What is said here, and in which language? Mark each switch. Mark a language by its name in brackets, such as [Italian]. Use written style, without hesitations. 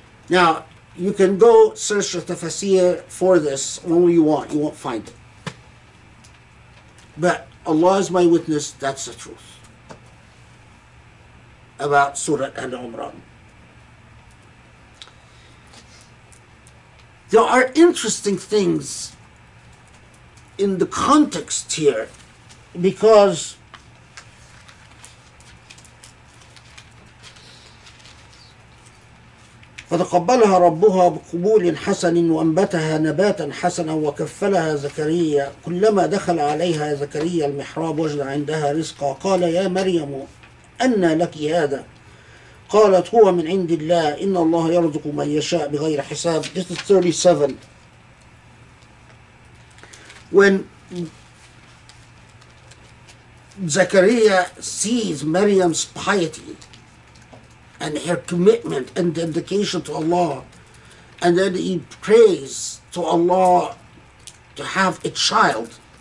[English] Now, you can go search the tafsir for this all you want. You won't find it. But Allah is my witness, that's the truth about Surah Al-Imran. There are interesting things in the context here, because [Arabic] فَتَقَبَّلَهَا رَبُّهَا بِقُبُولٍ حَسَنٍ وَأَنْبَتَهَا نَبَاتًا حَسَنًا وَكَفَّلَهَا زَكَرِيَّا كُلَّمَا دَخَلَ عَلَيْهَا زَكَرِيَّا الْمِحْرَابَ وَجَدَ عِنْدَهَا رِزْقًا قَالَ يَا مَرْيَمُ أَنَّى لَكِ هَذَا قَالَتْ هُوَ مِنْ عِنْدِ اللَّهِ إِنَّ اللَّهَ يَرْزُقُ مَنْ يَشَاءُ بِغَيْرِ حِسَابٍ. [English] This is 37. When Zakaria sees Maryam's piety and her commitment and dedication to Allah, and then he prays to Allah to have a child